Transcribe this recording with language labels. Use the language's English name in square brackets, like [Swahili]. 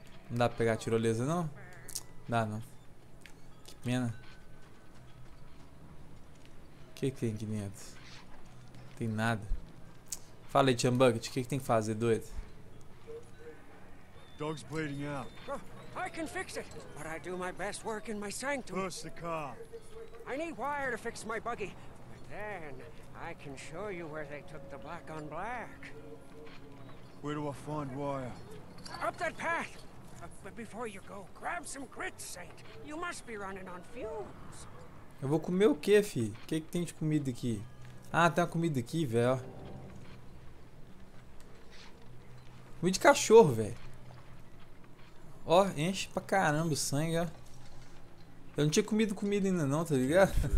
[Portuguese] Não dá pra pegar a tirolesa, não? Dá, não. Que pena. O que que tem aqui dentro? Tem nada. Fala aí, Chum Bucket. O que que tem que fazer, doido? [English] Dog's bleeding out. I can fix it, but I do my best work in my sanctum. Push the car. I need wire to fix my buggy. But then I can show you where they took the black on black. Where do I find wire? Up that path. But before you go, grab some grits, Saint. You must be running on fumes. [Portuguese] Eu vou comer o quê, fi? O que que tem de comida aqui? Ah, tem uma comida aqui, velho. Comida de cachorro, velho. Ó, enche pra caramba o sangue, ó. Eu não tinha comido comida ainda não, tá ligado?